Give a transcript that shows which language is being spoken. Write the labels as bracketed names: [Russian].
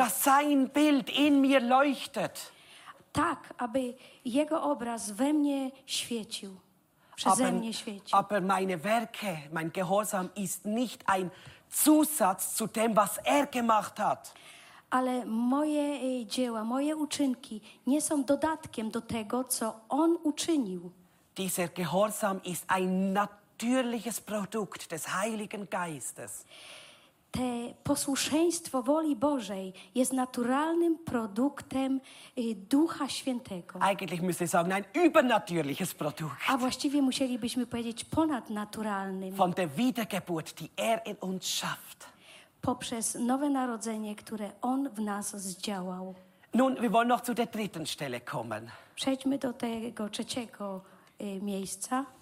[German] Dass sein Bild in mir leuchtet. [Polish] Tak, aby jego obraz we mnie świecił. Przeze mnie świeci. [German] Aber meine Werke, mein Gehorsam ist nicht ein Zusatz zu dem, was er gemacht hat. [Polish] Ale moje dzieła, moje uczynki nie są dodatkiem do tego, co on uczynił. [German] Dieser Gehorsam ist ein natürliches Produkt des Heiligen Geistes. [Polish] Te posłuszeństwo woli Bożej jest naturalnym produktem Ducha Świętego. [German] Eigentlich müsste ich sagen, ein übernatürliches Produkt. [Polish] A właściwie musielibyśmy powiedzieć ponadnaturalnym. [German] Von der Wiedergeburt, die er in uns schafft. [Polish] Poprzez nowe narodzenie, które on w nas zdziałał. [German] Nun, wir wollen noch zu der dritten Stelle kommen. [Polish] Przejdźmy do tego trzeciego miejsca.